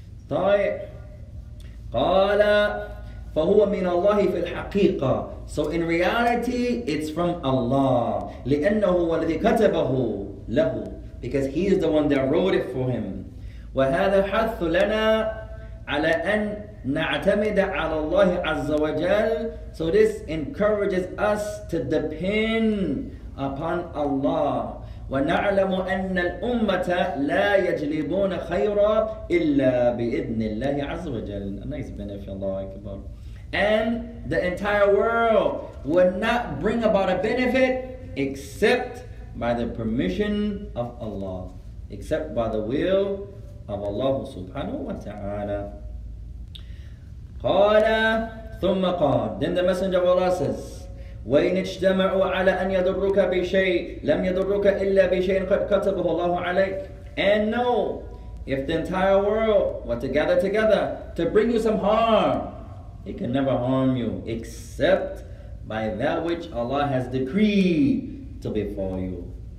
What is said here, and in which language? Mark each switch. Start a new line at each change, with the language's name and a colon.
Arabic: طيب قال فهو من الله في الحقيقة.
English: So in reality, it's from Allah.
Arabic: لأنه والذي كتبه له.
English: Because he is the one that wrote it for him.
Arabic: وهذا حث لنا على أن نعتمد على الله عز وجل.
English: So this encourages us to depend upon Allah.
Arabic: ونعلم أن الأمة لا يجلبون خيرا إلا بإذن الله عز وجل.
English: A nice benefit, Allah Akbar. And the entire world will not bring about a benefit except by the permission of Allah, except by the will of Allah subhanahu wa ta'ala.
Arabic: قال ثم قال.
English: Then the Messenger of Allah says,
Arabic: وَإِنْ اجْتَمَعُوا عَلَىٰ أَنْ يَضُرُّكَ بِشَيْءٍ لَمْ يَضُرُّكَ إِلَّا بِشَيْءٍ قَدْ كَتَبُهُ اللَّهُ عَلَيْكَ.
English: And know, if the entire world were to gather together to bring you some harm, it can never harm you except by that which Allah has decreed to befall you.